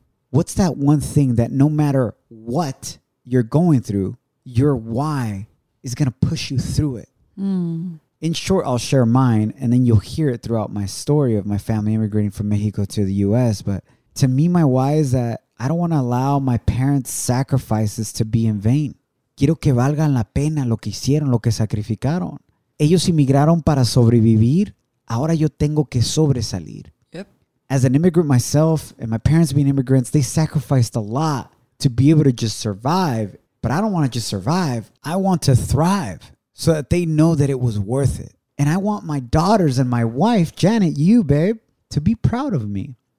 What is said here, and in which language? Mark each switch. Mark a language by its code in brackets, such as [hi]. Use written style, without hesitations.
[en] What's that one thing that no matter what you're going through, your why is going to push you through it? In short, I'll share mine, and then you'll hear it throughout my story of my family immigrating from Mexico to the U.S. But to me, my why is that I don't want to allow my parents' sacrifices to be in vain. [es] Quiero que valgan la pena lo que hicieron, lo que sacrificaron. Ellos inmigraron para sobrevivir. Ahora yo tengo que sobresalir. [en] Yep. As an immigrant myself, and my parents being immigrants, they sacrificed a lot to be able to just survive. But I don't want to just survive. I want to thrive. So that they know that it was worth it. And I want my daughters and my wife, Janet, you, babe, to be proud of me.